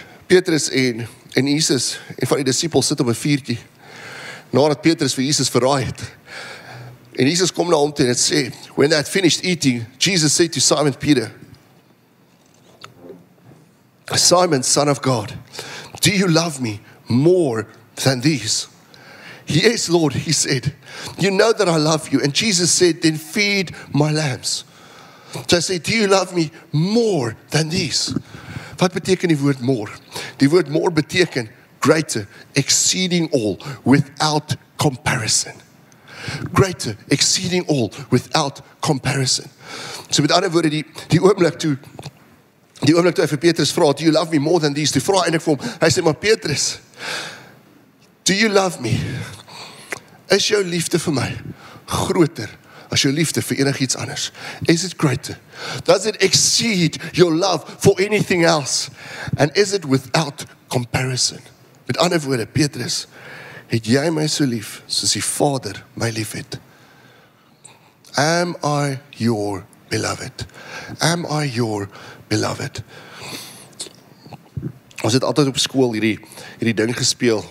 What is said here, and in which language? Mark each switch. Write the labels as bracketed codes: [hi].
[af] Petrus en Jesus, en van die disciples sit op 'n vuurtjie, nadat Petrus vir Jesus verraai het. En Jesus kom na hom toe en het sê, [en] when they had finished eating, Jesus said to Simon Peter, Simon, son of God, do you love me more than these? Yes, Lord, he said. You know that I love you. And Jesus said, then feed my lambs. So I say, do you love me more than these? [af] Wat beteken die woord more? Die woord more beteken [en] greater, exceeding all, without comparison. Greater, exceeding all, without comparison. [af] So met ander woorde, die oomblik toe hy vir Petrus vra, [en] do you love me more than these? [af] Toe vra eindelijk vir hom, hy sê, maar Petrus, [en] do you love me? [af] Is jou liefde vir my groter as jou liefde vir enig iets anders? [en] Is it greater? Does it exceed your love for anything else? And is it without comparison? [af] Met ander woorde, Petrus, het jy my so lief soos die Vader my lief het? [en] Am I your beloved? Am I your beloved? [af] Ons het altyd op skool hierdie ding gespeel.